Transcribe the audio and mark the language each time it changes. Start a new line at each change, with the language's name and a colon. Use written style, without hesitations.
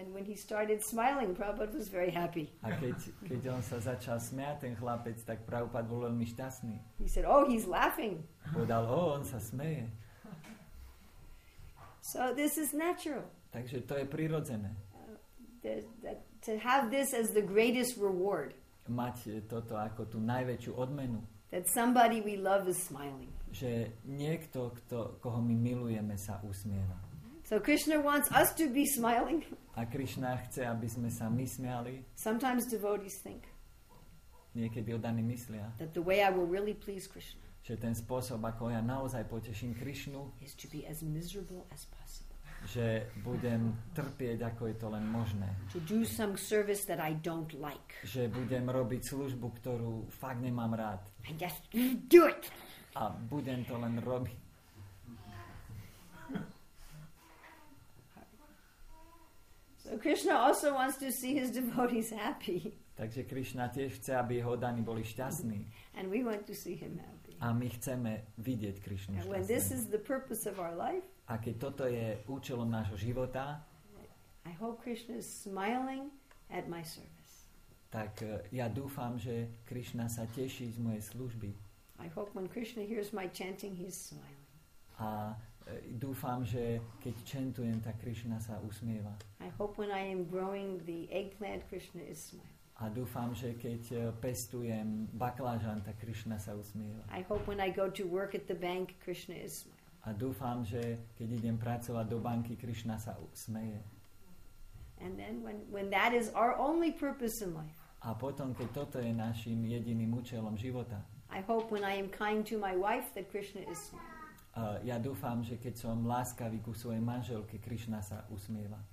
English: And when he started smiling, Prabhupada was very happy.
Slovak: A keď on sa začal smiať, ten chlapec, tak Prabhupada bol veľmi šťastný.
English: He said, oh, he's laughing.
Slovak: Povedal, oh, on sa smeje.
English: So this is natural.
Slovak: Takže to je prirodzené.
English: To have this as the greatest reward.
Slovak: Mať toto ako tú najväčšiu odmenu.
English: That somebody we love is smiling.
Slovak: Že niekto, koho my milujeme, sa usmieva.
English: So Krishna wants us to be smiling.
Slovak: A Krishna chce, aby sme sa my smiali.
English: Sometimes devotees think.
Slovak: Niekedy oddaní myslia.
English: That the way I will really please Krishna.
Slovak: Že ten spôsob, ako ja naozaj poteším Krishnu.
English: Is to be as miserable as possible.
Slovak: Že budem trpieť, ako je to len možné.
English: To do some service that I don't like.
Slovak: Že budem robiť službu, ktorú fakt nemám rád.
English: And just do it.
Slovak: A budem to len robiť.
English: So Krishna also wants to see his devotees happy.
Slovak: Takže Krishna tiež chce, aby jeho oddaní boli šťastní.
English: And we want to see him happy.
Slovak: A my chceme vidieť Krishnu šťastný.
English: And when this is the purpose of our life,
Slovak: a keď toto je účelom nášho života,
English: I hope Krishna is smiling at my service.
Slovak: Tak ja dúfam, že Krishna sa teší z mojej služby.
English: I hope when Krishna hears my chanting, he's smiling.
Slovak: A dúfam, že keď čentujem, tak Krishna sa usmieva.
English: I hope when I am growing the eggplant, Krishna is smiling.
Slovak: A dúfam, že keď pestujem baklážan, tak Krishna sa usmieva.
English: I hope when I go to work at the bank, Krishna is smiling.
Slovak: A dúfam, že keď idem pracovať do banky, Krishna sa usmieje.
English: And then when that is our only purpose in life.
Slovak: A potom, keď toto je našim jediným účelom života.
English: I hope when I am kind to my wife, that Krishna is smiling.
Slovak: Ja dúfam, že keď som láskavý ku svojej manželke, Krishna sa usmieva.